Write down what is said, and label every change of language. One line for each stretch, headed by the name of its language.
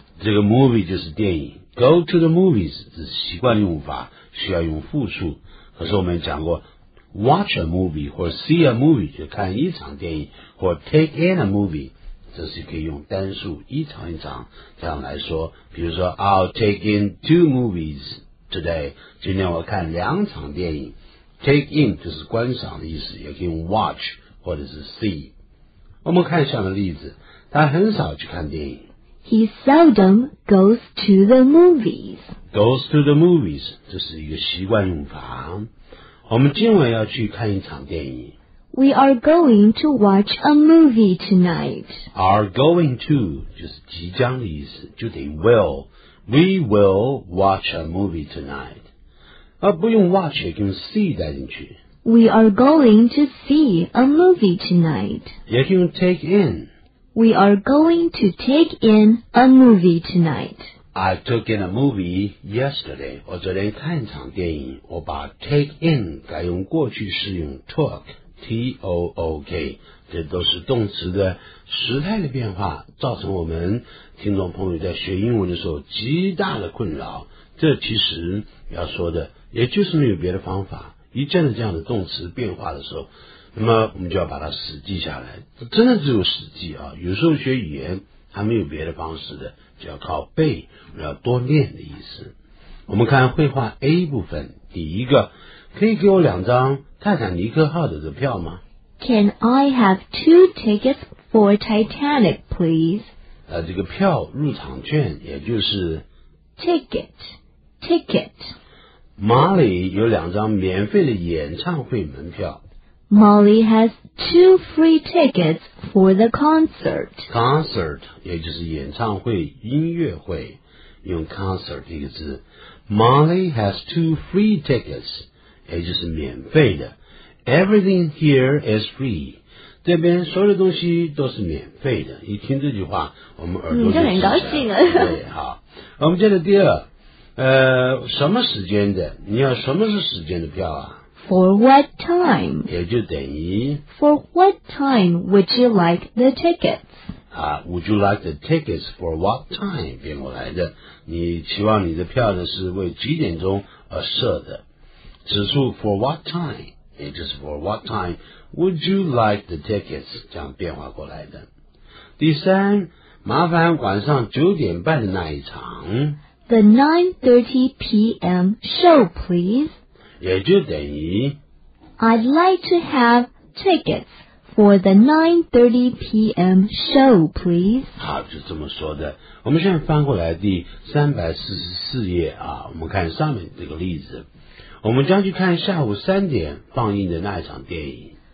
Chinese: 这个 movie 就是电影 ，
English: go to the movies
Chinese: 是习惯用法，需要用复数。可是我们讲过。
English: Watch a movie
Chinese: 或
English: see a movie
Chinese: 就看一场电影，或
English: take in a movie
Chinese: 这是可以用单数一场一场这样来说。比如说
English: I'll take in two movies today，
Chinese: 今天我看两场电影。 take in 就是观赏的意思，也可以用 watch 或者是 see。我们看下面的例子，他很少去看电影。
English: He seldom goes to the movies. Goes to the movies
Chinese: 这是一个习惯用法。我们今晚要去看一场电影。
English: We are going to watch a movie tonight. Are going to
Chinese: 就是即将的意思，就等于 will.
English: We will watch a movie tonight.
Chinese: 而不用 watch 也用 see 带进去。
English: We are going to see a movie tonight.
Chinese: 也可以用 take in.
English: We are going to take in a movie tonight. I took in a movie yesterday.
Chinese: 我昨天看一场电影，我把 take in 改用过去式，用 took, T-O-O-K. 这都是动词的时态的变化，造成我们听众朋友在学英文的时候极大的困扰。这其实要说的，也就是没有别的方法。一见到这样的动词变化的时候，那么我们就要把它死记下来。真的只有死记啊，有时候学语言还没有别的方式的，就要靠背，要多念的意思。我们看绘画 A 部分，第一个，可以给我两张泰坦尼克号的票吗
English: ？Can I have two tickets for Titanic, please？
Chinese: 这个票入场券，也就是
English: ticket， ticket.
Chinese: Molly 有两张免费的演唱会门票。
English: Molly has two free tickets for the concert.
Chinese: Concert 也就是演唱会音乐会，用 concert 这个字。
English: Molly has two free tickets，
Chinese: 也就是免费的。
English: Everything here is free。
Chinese: 这边所有的东西都是免费的。一听这句话，我们耳朵就很高兴了。对，好，我们接着第二，什么时间的？你要什么是时间的票啊？
English: For what time?
Chinese: 也就等于
English: For what time would you like the tickets? Would you like the tickets for what time?
Chinese: 变过来的，你期望你的票呢是为几点钟而设的？
English: 指数 for what time? 也就是 for what time would you like the tickets?
Chinese: 这样变化过来的。第三，麻烦晚上九点半的那一场。
English: The 9:30 p.m. show, please.
Chinese: 也就等于
English: I'd like to have tickets for the 9:30 p.m. show, please.
Chinese: 好，就这么说的。我们现在翻过来第344页啊，我们看上面这个例子。我们将去看下午三点放映的那一场电影。